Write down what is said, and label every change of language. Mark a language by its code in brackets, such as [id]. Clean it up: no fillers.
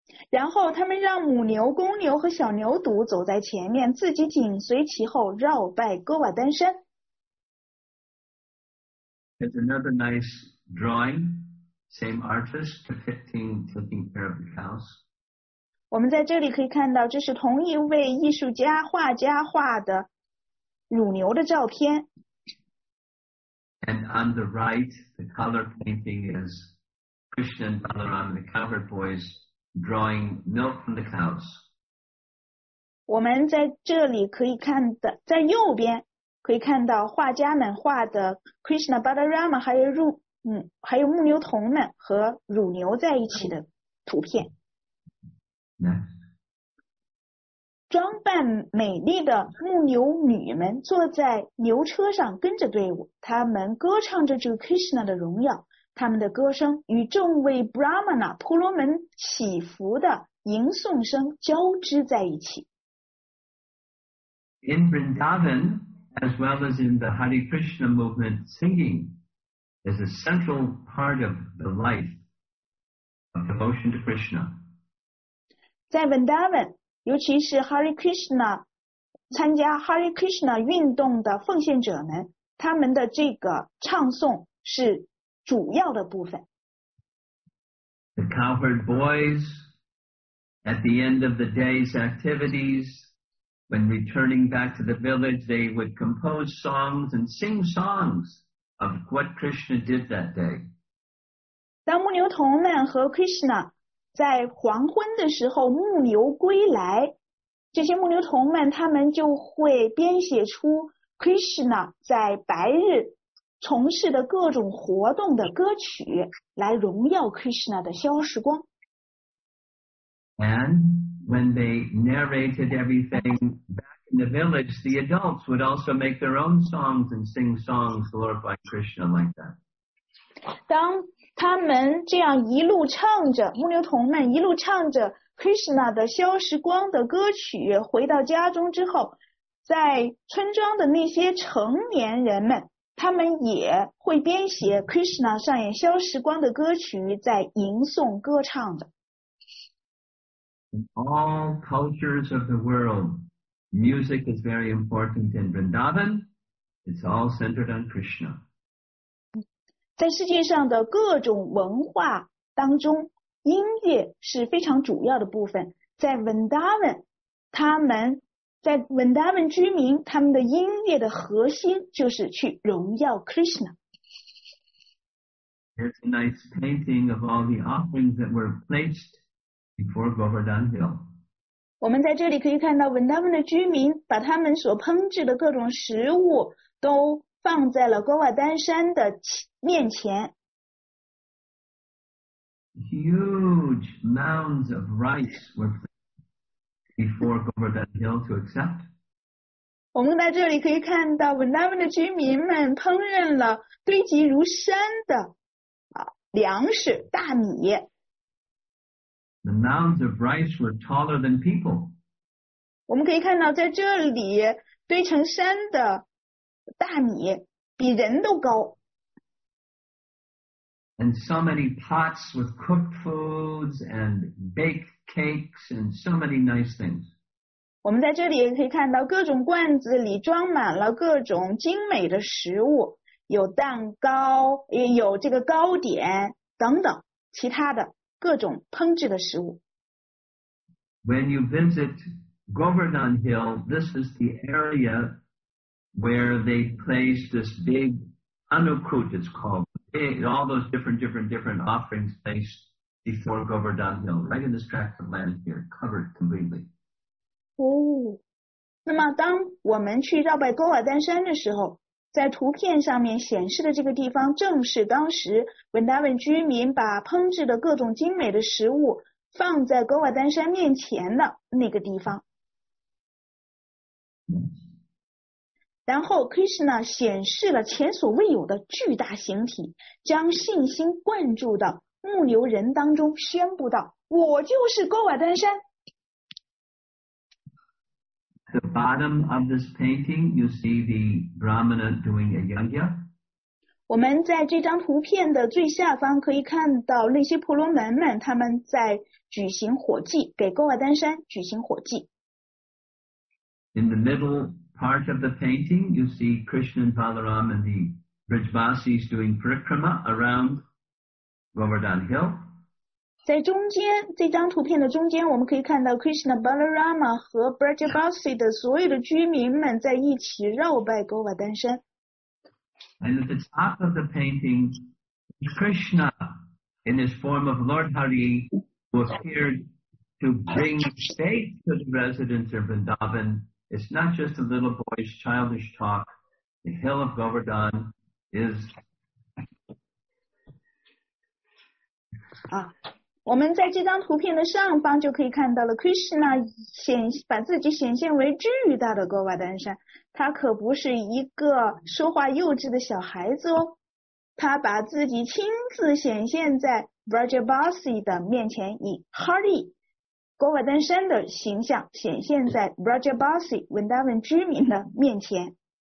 [zh] 然后他们让母牛、公牛和小牛犊走在前面，自己紧随其后绕拜哥瓦丹山。 [en] There's another nice drawing, same artist depicting taking care of the cows. [zh] 我们在这里可以看到，这是同一位艺术家、画家画的乳牛的照片。 [en] And on the right, the color painting is Krishna and Balaram, the cowherd boys. Drawing milk from the cows. [zh] 我们在这里可以看的，在右边可以看到画家们画的 Krishna Balarama 还有牧牛童们和乳牛在一起的图片。 [en] Next. [zh] 装扮美丽的牧牛女们坐在牛车上跟着队伍，她们歌唱着这个 Krishna 的荣耀。他们的歌声与众位 Brahmana 婆罗门起伏的吟诵声交织在一起。 [en] In Vrindavan, as well as in the Hare Krishna movement, singing is a central part of the life of devotion to Krishna. [zh] 在 Vrindavan, 尤其是 Hare Krishna, 参加 Hare Krishna 运动的奉献者们，他们的这个唱诵是主要的部分。 [en] The cowherd boys at the end of the day's activities, when returning back to the village, they would compose songs and sing songs of what Krishna did that day. [zh] 当牧牛童们和 Krishna 在黄昏的时候牧牛归来，这些牧牛童们他们就会编写出 Krishna 在白日从事的各种活动的歌曲，来荣耀 Krishna 的消逝光。 [en] And when they narrated everything back in the village, the adults would also make their own songs and sing songs glorifying Krishna like that. [zh] 当他们这样一路唱着，牧牛童们一路唱着 Krishna 的消逝光的歌曲回到家中之后，在村庄的那些成年人们，他们也会编写 Krishna 上演消逝光的歌曲，在吟诵歌唱着。 [en] In all cultures of the world, music is very important in Vrindavan. It's all centered on Krishna. [zh] 在世界上的各种文化当中，音乐是非常主要的部分。在 Vrindavan, 他们在 Vrindavan 居民，他们的音乐的核心就是去荣耀 Krishna。 [en] There's a nice painting of all the offerings that were placed. Before Govardhan Hill. [zh] 我们在这里可以看到 Vrindavan 的居民把他们所烹制的各种食物都放在了 Govardhan 山的面前。 [en] Huge mounds of rice were placed before Govardhan Hill to accept. [zh] 我们在这里可以看到 Vrindavan 的居民们烹饪了堆积如山的粮食大米。 [en] The mounds of rice were taller than people. [zh] 我们可以看到在这里堆成山的大米比人都高。 [en] And so many pots with cooked foods and baked cakes and so many nice things. [zh] 我们在这里可以看到各种罐子里装满了各种精美的食物，有蛋糕，也有这个糕点等等其他的。各种烹制的食物。 [en] When you visit Govardhan Hill, this is the area where they place this big anukut, it's called. All those different offerings placed before Govardhan Hill, right in this tract of land here, covered completely. [zh] 哦，那么当我们去绕拜 Govardhan 山的时候，在图片上面显示的这个地方正是当时 Vrindavan 居民把烹制的各种精美的食物放在 Govardhan 山面前的那个地方。然后 Krishna 显示了前所未有的巨大形体，将信心灌注到牧牛人当中，宣布道，我就是 Govardhan 山。 [en] At the bottom of this painting, you see the Brahmana doing a yajna. [zh] 我们在这张图片的最下方可以看到那些婆罗门们他们在举行火祭，给 Govardhan 山举行火祭。 [en] In the middle part of the painting, you see Krishna and Balaram and the Brijvasis doing parikrama around Govardhan Hill. [zh] 在中间这张图片的中间，我们可以看到 Krishna Balarama 和 Brajabasi 的所有的居民们在一起绕拜 Govardhan 山。 [en] And at the top of the painting, Krishna in his form of Lord Hari appeared to bring faith to the residents of Vrindavan. It's not just a little boy's childish talk. The hill of Govardhan is. [zh] 我们在这张图片的上方就可以看到了 Krishna 把自己显现为巨大的 Govardhan 山，他可不是一个说话幼稚的小孩子哦，他把自己亲自显现在 Brajabasi 的面前，以 Hari Govardhan 山的形象显现在 Brajabasi Vrindavan 居民的面前。